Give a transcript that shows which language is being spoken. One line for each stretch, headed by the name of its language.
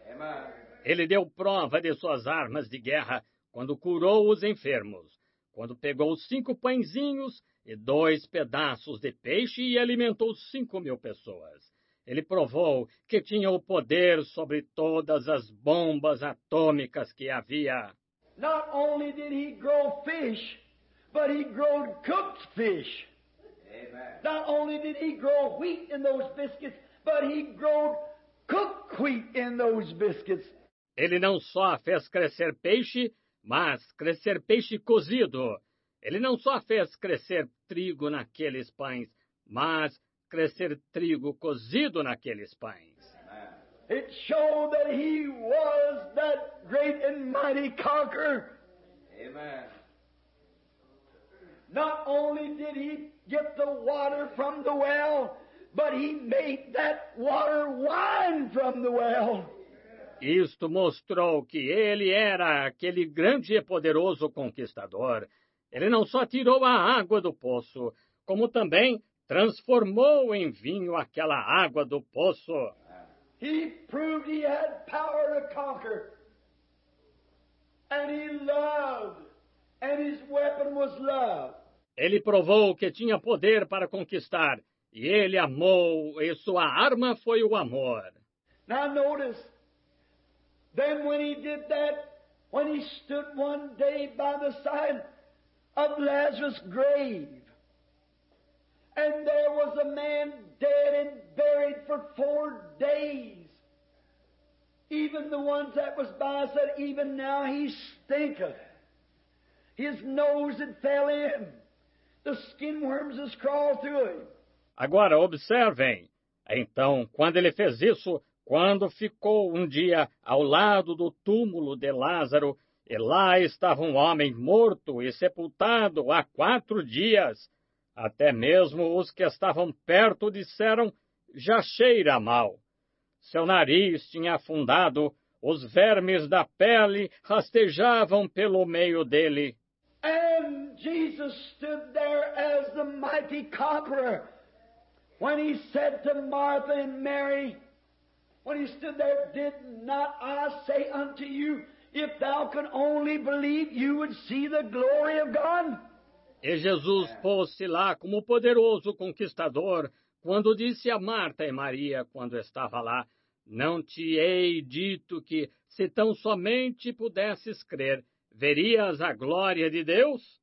English: Amen.
Portuguese: Ele deu prova de suas armas de guerra quando curou os enfermos, quando pegou 5 pãezinhos e 2 pedaços de peixe e alimentou 5.000 pessoas. Ele provou que tinha o poder sobre todas as bombas atômicas que havia.
English: Not only did he grow fish, but he grew cooked fish. Amen. Not only did he grow wheat in those biscuits, but he grew cooked wheat in those biscuits.
Portuguese: Ele não só fez crescer peixe, mas crescer peixe cozido. Ele não só fez crescer trigo naqueles pães, mas crescer trigo cozido naqueles pães.
English: It showed that he was that great and mighty conqueror. Amen. Not only did he get the water from the well, but he made that water wine from the well.
Portuguese: Isto mostrou que ele era aquele grande e poderoso conquistador. Ele não só tirou a água do poço, como também transformou em vinho aquela água do poço.
English: He proved he had power to conquer. And he loved. And his weapon was love.
Portuguese: Ele provou que tinha poder para conquistar. E ele amou. E sua arma foi o amor.
English: Now notice. Then when he did that, when he stood one day by the side of Lazarus' grave, and there was a man dead and buried for 4 days, even the ones that was by said, even now he stinketh. His nose had fell in. The skin worms has crawled through him.
Portuguese: Agora, observem. Então, quando ele fez isso, quando ficou um dia ao lado do túmulo de Lázaro, e lá estava um homem morto e sepultado há 4 dias, até mesmo os que estavam perto disseram, já cheira mal. Seu nariz tinha afundado, os vermes da pele rastejavam pelo meio dele.
English: And Jesus stood there as the mighty conqueror, when he said to Martha and Mary, when he stood there, did not I say unto you, if thou could only believe, you would see the glory of God?
Portuguese: E Jesus pôs-se lá como poderoso conquistador, quando disse a Marta e Maria, quando estava lá, não te hei dito que, se tão somente pudesses crer, verias a glória de Deus?